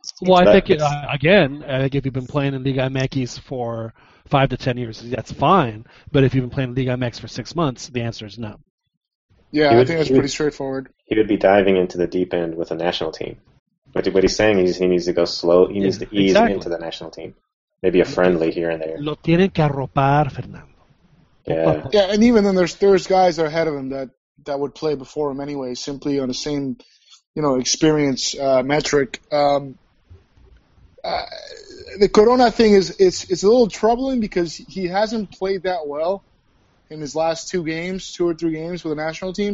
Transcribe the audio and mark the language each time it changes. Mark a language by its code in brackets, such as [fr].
[en] Well, I think if you've been playing in Liga MX for 5 to 10 years, that's fine. But if you've been playing Liga MX for 6 months, the answer is no. Yeah, I think that's pretty straightforward. He would be diving into the deep end with a national team. But what he's saying is he needs to go slow. He needs to ease into the national team. Maybe a friendly here and there. [es] Lo tienen que arropar, Fernando. [en] Yeah, and even then there's guys ahead of him that would play before him anyway, simply on the same, you know, experience metric. The Corona thing is it's a little troubling because he hasn't played that well in his last two or three games with the national team.